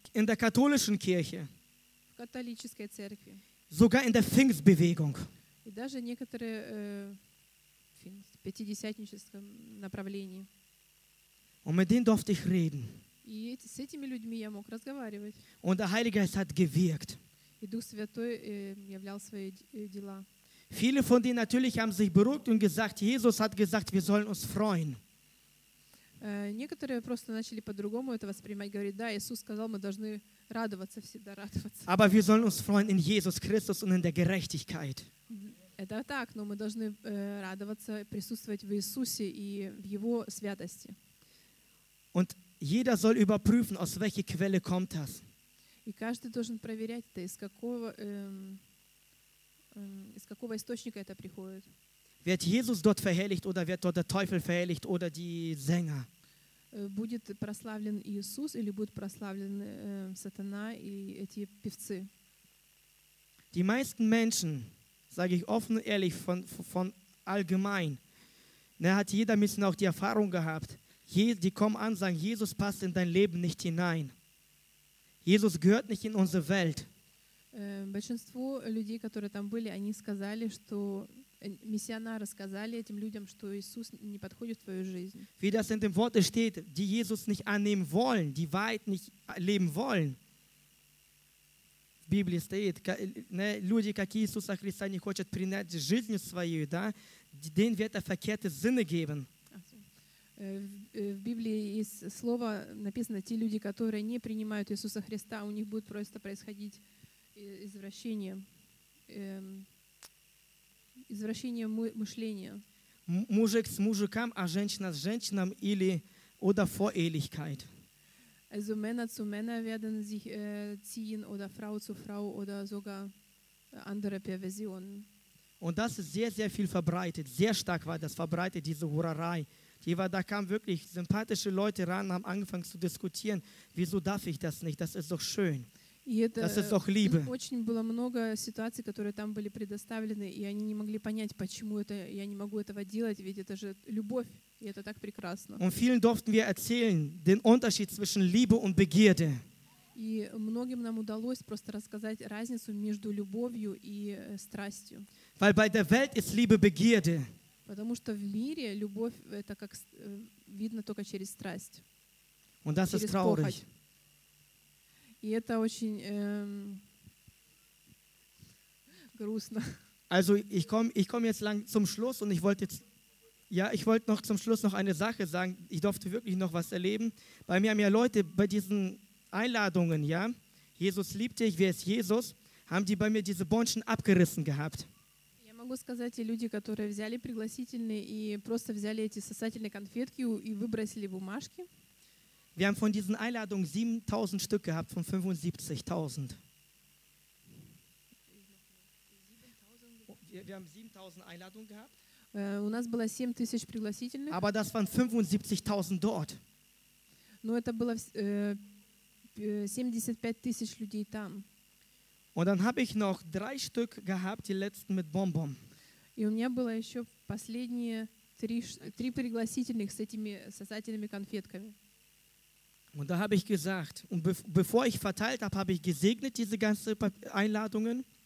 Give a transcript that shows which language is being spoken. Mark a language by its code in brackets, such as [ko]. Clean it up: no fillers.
[de] In der katholischen Kirche. [ru] В католической церкви. [de] Sogar in der Pfingstbewegung. [ru] И даже некоторые в пятидесятническом направлении. [de] Und mit denen durfte ich reden. [ru] И с этими людьми я мог разговаривать. [de] Und der Heilige Geist hat gewirkt. [ru] И Дух Святой являл свои дела. [de] Viele von denen natürlich haben sich beruhigt und gesagt, Jesus hat gesagt, wir sollen uns freuen. [ru] Некоторые просто начали по-другому это воспринимать, говорят, да, Иисус сказал, мы должны радоваться, всегда радоваться. [de] Aber wir sollen uns freuen in Jesus Christus und in der Gerechtigkeit. [ru] Это так, но мы должны радоваться, присутствовать в Иисусе и в Его святости. [de] Und jeder soll überprüfen, aus welcher Quelle kommt das. [ru] И каждый должен проверять, да, из какого источника это приходит. [de] Wird Jesus dort verherrlicht oder wird dort der Teufel verherrlicht oder die Sänger? [ru] Будет прославлен Иисус или будет прославлен сатана и эти певцы? [de] Die meisten Menschen, sage ich offen und ehrlich, von allgemein, ne, hat jeder ein bisschen auch die Erfahrung gehabt, die kommen an und sagen, Jesus passt in dein Leben nicht hinein. Jesus gehört nicht in unsere Welt. [ru] Большинство людей, которые там были, они сказали, что миссионары сказали этим людям, что Иисус не подходит в твою жизнь. [de] Wie das in dem Wort steht, die Jesus nicht annehmen wollen, die weit nicht leben wollen. [ru] В Библии стоит, ne, люди, как Иисуса Христа не хочет принять жизнью своей, да, [de] denen wird er verkehrte Sinne geben. [ru] В Библии из слова написано, те люди, которые не принимают Иисуса Христа, у них будет просто происходить извращение мышления. Мужик с мужиком, а женщина с женщиной или [de] oder Vorehelichkeit. Also Männer zu Männer werden sich ziehen oder Frau zu Frau oder sogar andere Perversionen. Und das ist sehr, sehr viel verbreitet. Sehr stark war das verbreitet, diese Hurerei. Die war, da kamen wirklich sympathische Leute ran und haben angefangen zu diskutieren, wieso darf ich das nicht, das ist doch schön. Das ist doch Liebe. [ru] Очень было много ситуаций, которые там были предоставлены, и они не могли понять, почему это, я не могу этого делать, ведь это же любовь, и это так прекрасно. [de] Und vielen durften wir erzählen, den Unterschied zwischen Liebe und Begierde. [ru] И многим нам удалось просто рассказать разницу между любовью и страстью. [de] Weil bei der Welt ist Liebe Begierde. [ru] Потому что в мире любовь это как видно только через страсть. [de] Und das ist traurig. [ru] И это очень грустно. [de] Also ich komme jetzt lang zum Schluss und ich wollte noch zum Schluss noch eine Sache sagen. Ich durfte wirklich noch was erleben. Bei mir haben ja Leute bei diesen Einladungen, ja, Jesus liebt dich, wer ist Jesus, haben die bei mir diese Bonschen abgerissen gehabt. [ru] Я могу сказать, те люди, которые взяли пригласительные и просто взяли эти сосательные конфетки и выбросили бумажки. [de] Wir haben von diesen Einladungen 7.000 Stück gehabt, von 75.000. Wir haben 7.000 Einladungen gehabt. [ru] У нас было 7.000 пригласительных. [de] Aber das waren 75.000 dort. [ru] Но это было 75.000 людей там. [de] Und dann habe ich noch 3 Stück gehabt, die letzten mit Bonbon. [ru] И у меня было еще последние 3 пригласительных с этими сосательными конфетками. [de] Und da habe ich gesagt, und bevor ich verteilt habe, habe ich gesegnet diese ganzen Einladungen.